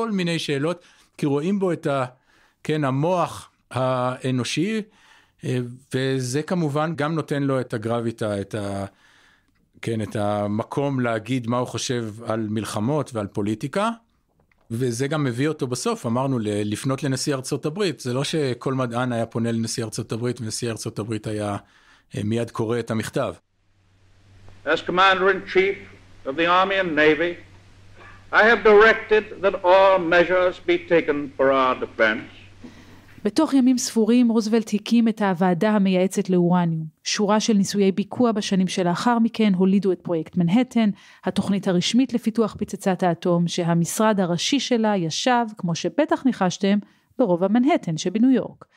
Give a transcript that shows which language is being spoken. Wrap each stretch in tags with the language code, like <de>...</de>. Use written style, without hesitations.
<he>כל מיני שאלות, כי רואים בו את המוח האנושי, וזה כמובן גם נותן לו את הגרביטה, את המקום להגיד מה הוא חושב על מלחמות ועל פוליטיקה, וזה גם מביא אותו בסוף, אמרנו, לפנות לנשיא ארצות הברית. זה לא שכל מדען היה פונה לנשיא ארצות הברית, ונשיא ארצות הברית היה מיד קורא את המכתב.</he> <en>As Commander-in-Chief of the Army and Navy, I have directed that all measures be taken for our defense.</en> <he>בתוך ימים ספורים, רוזוולט הקים את הוועדה המייעצת לאורניום. שורה של ניסויי ביקוע בשנים שלאחר מכן הולידו את פרויקט מנהטן, התוכנית הרשמית לפיתוח פצצת האטום, שהמשרד הראשי שלה ישב, כמו שבטח ניחשתם, ברובע מנהטן שבניו יורק.</he>